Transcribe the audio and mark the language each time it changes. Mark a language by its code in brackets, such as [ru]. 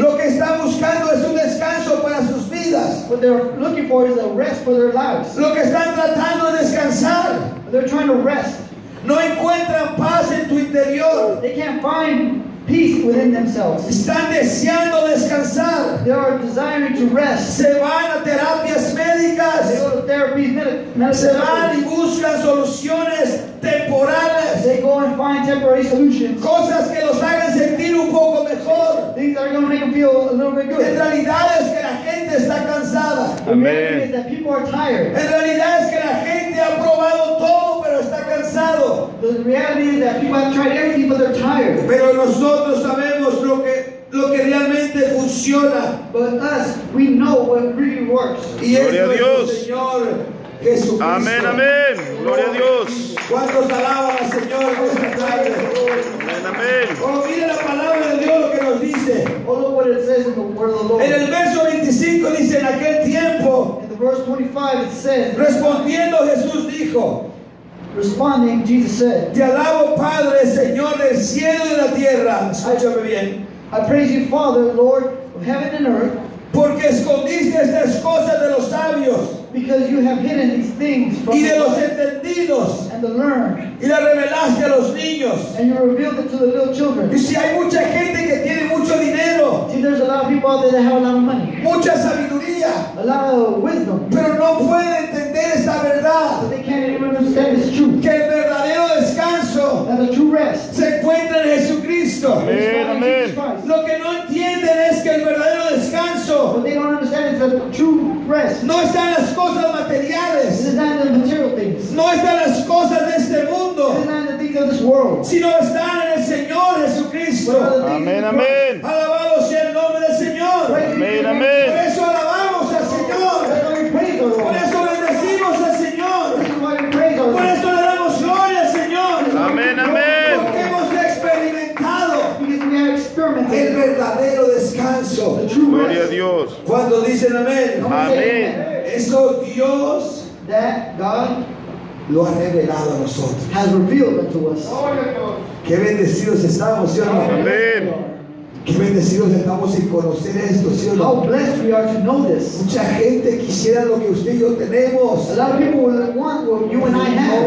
[es] lo que están buscando es un descanso para sus vidas. [en] What they're looking for is a rest for their lives. [es] Lo que están tratando de descansar. [en] They're trying to rest. [es] No encuentran paz en tu interior. [en] They can't find peace within themselves. [es] Están deseando descansar. [en] They are desiring to rest. [es] Se van a terapias médicas. [en] They go to therapies, medical. [es] Se van y buscan soluciones temporales. [en] They go and find temporary solutions. [es] Cosas que los hagan sentir un poco mejor. [en] Things that are going to make them feel a little bit good. [es] En realidad es que la gente está cansada. [en] Amen. The reality is that people are tired. [es] En realidad es que la gente ha probado todo. [en] The reality is that people have tried everything, but they're tired. [es] Pero nosotros sabemos lo que realmente funciona. [en] But us, we know what really works. [es] Y gloria a Dios. Señor Jesucristo. Amén, amén. Gloria a Dios. ¿Cuántos alaban al Señor esta tarde? Amén, amén. Oh, mire la palabra de Dios lo que nos dice. [en] Oh, look what it says in the word of the Lord. [es] En el verso 25 dice, en aquel tiempo. [en] In the verse 25 it says. [es] Respondiendo Jesús dijo. [en] Responding, Jesus said, [es] te alabo, Padre, Señor del cielo y la tierra. Escúchame bien. [en] I praise you, Father, Lord of heaven and earth. [es] Porque escondiste estas cosas de los sabios. [en] Because you have hidden these things from [es] y de los entendidos [en] and the learned. [es] Y la revelaste a los niños. [en] And you revealed it to the little children. [es] Y si hay mucha gente que tiene mucho dinero. [en] See, there's a lot of people out there that have a lot of money. [es] Mucha sabiduría. [en] A lot of wisdom. [es] Pero no pueden entender esa verdad. [en] But they can't even understand this truth. [es] Que el verdadero descanso [en] that the true rest [es] se encuentra en Jesucristo. Amén. Lo que no entienden es que el verdadero descanso [en] what they don't understand is that the true rest [es] no está en las cosas materiales. [en] It is not in the material things. [es] No está en las cosas de este mundo. It is not in the things of this world. Sino está en el Señor Jesucristo. Amén, amén. Alabado sea el nombre del Señor. Amén, amén. Por eso alabamos al Señor. Por eso bendecimos al Señor. Por eso le damos gloria al Señor. Amén, amén. Porque hemos experimentado el verdadero descanso. Gloria a Dios. Cuando dicen amén. Amén. Eso Dios [en] that God [es] lo ha revelado a nosotros. [en] Has revealed it to us. [es] Qué bendecidos estamos, ¿sí o no? Amén. Qué bendecidos estamos sin conocer esto, ¿sí o no? [en] How blessed we are to know this. [es] Mucha gente quisiera lo que usted y yo tenemos. [en] A lot of people want what you and I have.